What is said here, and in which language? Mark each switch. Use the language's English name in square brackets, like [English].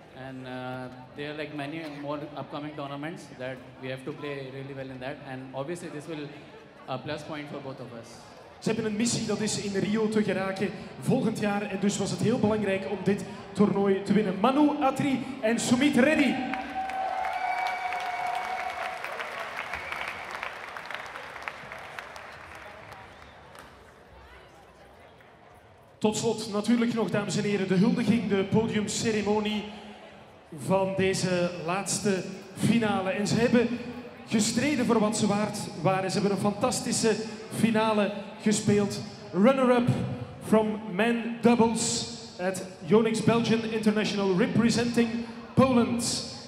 [English] And there are like many more upcoming tournaments that we have to play really well in that. And obviously this will a plus point for both of us. [Dutch] Ze hebben een missie, dat is in Rio te geraken volgend jaar. En dus was het heel belangrijk om dit toernooi te winnen. Manu Atri en Sumeet Reddy. Tot slot natuurlijk nog, dames en heren, de huldiging, de podiumceremonie van deze laatste finale. En ze hebben gestreden voor wat ze waard waren. Ze hebben een fantastische finale gespeeld. [English] Runner-up from men doubles at Yonex Belgian International, representing Poland.